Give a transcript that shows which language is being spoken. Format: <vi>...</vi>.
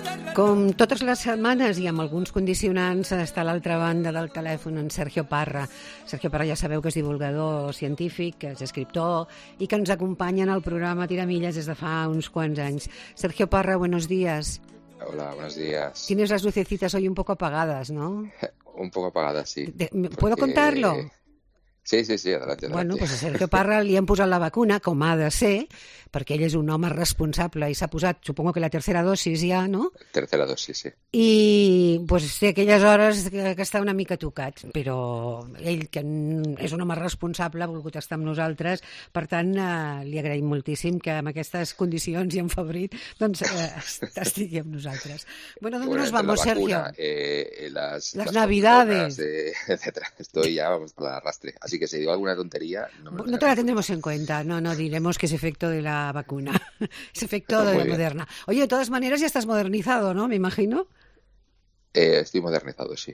<ca>Com totes les setmanes i amb alguns condicionants, està a l'altra banda del telèfon en Sergio Parra. Sergio Parra ja sabeu que és divulgador científic, que és escriptor i que ens acompanya en el programa Tiramilles des de fa uns quants anys.</ca> <es>Sergio Parra, buenos días. Hola, buenos días. Tienes las lucecitas hoy un poco apagadas, ¿no? Un poco apagadas, sí. ¿Puedo contarlo? Sí, adelante.</es> <ca>Bueno, pues a Sergio Parra li han posat la vacuna, com ha de ser, perquè ell és un home responsable i s'ha posat,</ca> <es>supongo</es> <ca>que la tercera dosis ja, no?</ca> <es>Tercera dosis, sí.</es> <ca>I, pues, té aquelles hores que està una mica tocat, però ell, que és un home responsable, ha volgut estar amb nosaltres, per tant, li agraïm moltíssim que amb aquestes condicions i en febrit, doncs, estigui amb nosaltres.</ca> <es>Bueno, d'on nos vamos, vacuna, Sergio? Las navidades. Etcétera. Estoy ya, vamos, por el arrastre. Así que si digo alguna tontería... No te la tendremos en cuenta. No, diremos que es efecto de la vacuna. Es efecto de la Moderna. Oye, de todas maneras ya estás modernizado, ¿no? Me imagino. Estoy modernizado, sí.</es>